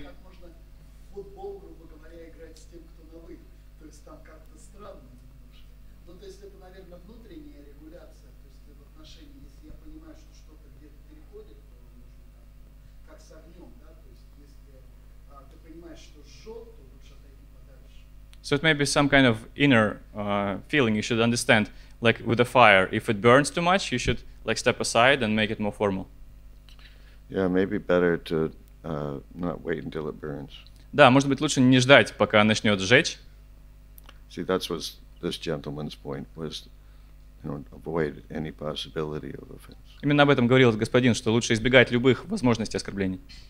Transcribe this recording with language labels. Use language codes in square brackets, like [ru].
[ru] Как можно в футбол, грубо говоря, играть с тем, кто на «вы»? То есть там как-то странно немножко. Ну, то есть это, наверное, внутренняя регуляция. То есть в отношении, если я понимаю, что что-то где-то переходит, то нужно как с огнем, да? То есть если ты понимаешь, что жжет, то лучше отойти подальше. [en] So it may be some kind of inner feeling you should understand. Like with a fire, if it burns too much, you should like step aside and make it more formal. Yeah, maybe better to not wait until it burns. [ru] Да, может быть лучше не ждать, пока начнет жечь. [en] See, that's what this gentleman's point was, you know, avoid any possibility of offense. [ru] Именно об этом говорил этот господин, что лучше избегать любых возможностей оскорблений.